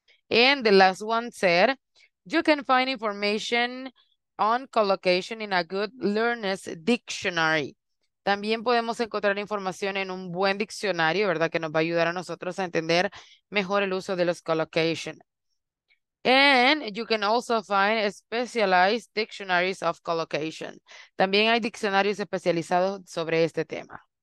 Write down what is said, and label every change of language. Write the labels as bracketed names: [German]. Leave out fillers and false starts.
[English] And the last one said, you can find information on collocation in a good learner's dictionary. [Spanish] También podemos encontrar información en un buen diccionario, ¿verdad? Que nos va a ayudar a nosotros a entender mejor el uso de los collocation. [English] And you can also find specialized dictionaries of collocation. [Spanish] También hay diccionarios especializados sobre este tema.